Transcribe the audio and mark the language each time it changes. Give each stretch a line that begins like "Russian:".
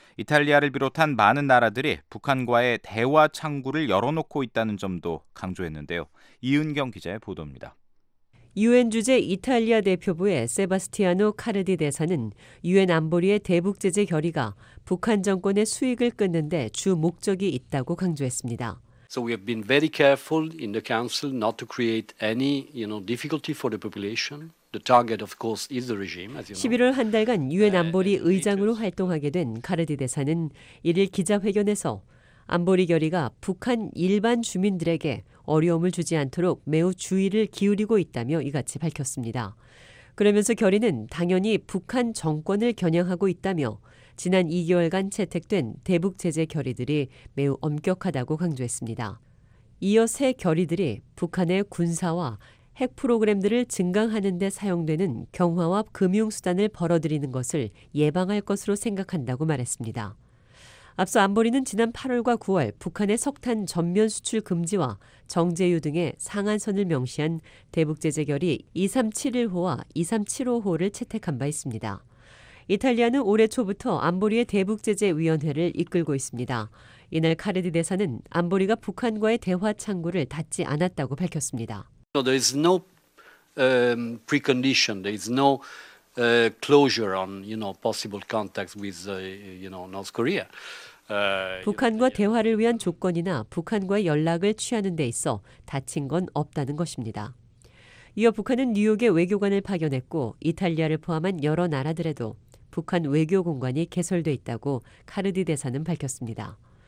Korean: 이탈리아를 비롯한 많은 나라들이 북한과의 대화 창구를 열어놓고 있다는 점도 강조했는데요. 이은경 기자의 보도입니다. 유엔 주재 이탈리아 대표부의 세바스티아노 카르디 대사는 유엔 안보리의 대북 제재 결의가 북한 정권의 수익을 끊는 데 주 목적이 있다고 강조했습니다.
English: So we have been very careful in the council not to create any, you know, difficulty for the population. The target, of course, is the regime. As you know.
Korean: 11월 한 달간 유엔 안보리 의장으로 활동하게 된 카르디 대사는 이를 기자회견에서 안보리 결의가 북한 일반 주민들에게 어려움을 주지 않도록 매우 주의를 기울이고 있다며 이같이 밝혔습니다. 그러면서 결의는 당연히 북한 정권을 겨냥하고 있다며 지난 2개월간 채택된 대북 제재 결의들이 매우 엄격하다고 강조했습니다. 이어 새 결의들이 북한의 군사와 핵 프로그램들을 증강하는 데 사용되는 경화와 금융수단을 벌어들이는 것을 예방할 것으로 생각한다고 말했습니다. 앞서 안보리는 지난 8월과 9월 북한의 석탄 전면 수출 금지와 정제유 등의 상한선을 명시한 대북 제재 결의 2371호와 2375호를 채택한 바 있습니다. 이탈리아는 올해 초부터 안보리의 대북제재위원회를 이끌고 있습니다. 이날 카르디 대사는 안보리가 북한과의 대화 창구를 닫지 않았다고 밝혔습니다.
English: There is no precondition. There is no closure on, you know, possible contacts with, you know, North Korea.
Korean: 북한과 대화를 위한 조건이나 북한과 연락을 취하는 데 있어 닫힌 건 없다는 것입니다. 이어 북한은 뉴욕에 외교관을 파견했고 이탈리아를 포함한 여러 나라들에도 북한 외교 공간이 개설돼 있다고 카르디 대사는 밝혔습니다.